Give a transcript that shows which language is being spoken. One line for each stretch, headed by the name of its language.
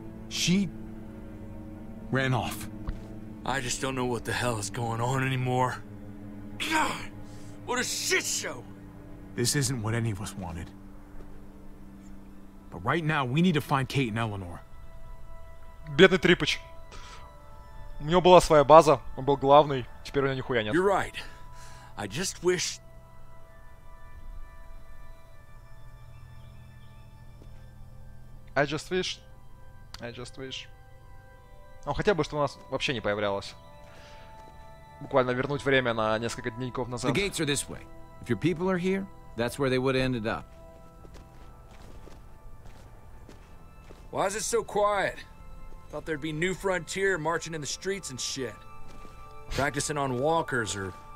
English: She ran off. I just don't know what the hell is going on anymore. God, what a shit show! This isn't what any of us wanted. But right now, we need to find Kate and Eleanor.
Russian: Бедный Трипыч. У него была своя база, он был главный, теперь у него нихуя нет.
English: You're right. I just wish... I just wish.
Russian: Ну, хотя бы, чтобы у нас вообще не появлялось. Буквально вернуть время на несколько дней назад.
English: The gates are this way. If your people are here, that's where they would have ended up. Why is it so quiet? Thought there'd be new frontier marching in the streets and shit. Practicing on walkers or...